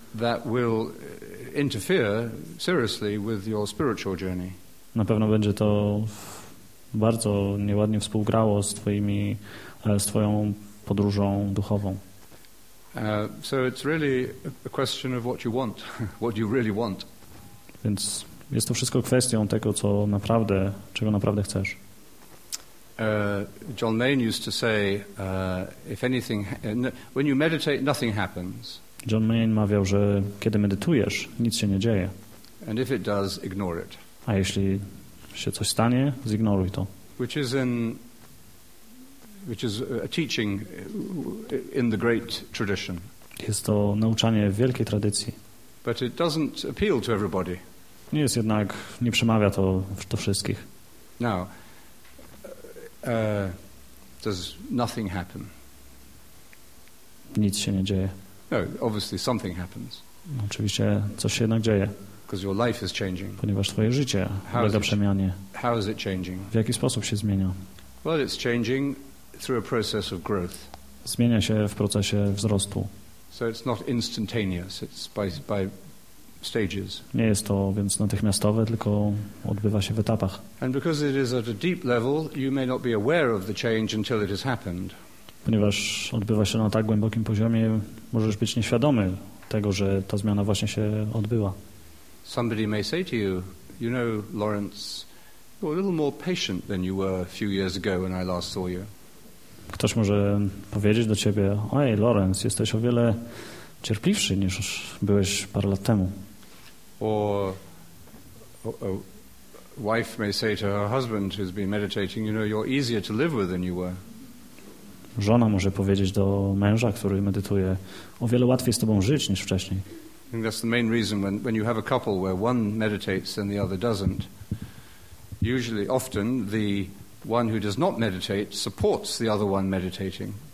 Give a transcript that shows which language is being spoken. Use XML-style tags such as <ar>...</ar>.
<en>that will interfere seriously with your spiritual journey.</en> <pl>Na pewno będzie to bardzo nieładnie współgrało z twoją podróżą duchową.</pl> <en>So it's really a question of what you want, what do you really want.</en> <pl>Więc jest to wszystko kwestią tego, czego naprawdę chcesz.</pl> <en>John Mayne used to say, if anything, when you meditate, nothing happens.</en> <pl>John Mayne mawiał, że kiedy medytujesz, nic się nie dzieje.</pl> <en>And if it does, ignore it.</en> <pl>A jeśli się coś stanie, zignoruj to.</pl> <en>Which is a teaching in the great tradition.</en> <pl>Jest to nauczanie w wielkiej tradycji.</pl> <en>But it doesn't appeal to everybody.</en> <pl>Nie jest jednak, nie przemawia to do wszystkich.</pl> <en>Now, does nothing happen?</en> <pl>Nic się nie dzieje.</pl> <en>No, obviously something happens.</en> <pl>Oczywiście coś się jednak dzieje.</pl> <en>Because your life is changing.</en> <pl>Ponieważ twoje życie ulega przemianie.</pl> <en>How is it changing?</en> <pl>W jaki sposób się zmienia?</pl> <en>Well, it's changing through a process of growth.</en> <pl>zmienia się w procesie wzrostu.</pl> <en>So it's not instantaneous, it's by stages.</en> <pl>Nie jest to więc natychmiastowe, tylko odbywa się w etapach.</pl> <en>And because it is at a deep level, you may not be aware of the change until it has happened.</en> <pl>Ponieważ odbywa się na tak głębokim poziomie, możesz być nieświadomy tego, że ta zmiana właśnie się odbyła.</pl> <en>Somebody may say to you, you know, Lawrence, you're a little more patient than you were a few years ago when I last saw you.</en> <pl>Ktoś może powiedzieć do ciebie: ej, Lawrence, jesteś o wiele cierpliwszy niż już byłeś parę lat temu.</pl> <en>Or a wife may say to her husband who's been meditating, you know, you're easier to live with than you were.</en> <pl>Żona może powiedzieć do męża, który medytuje: o wiele łatwiej z tobą żyć niż wcześniej.</pl> <en>I think that's the main reason when you have a couple where one meditates and the other doesn't. Usually, often, the one who does not meditate supports the other one meditating.</en>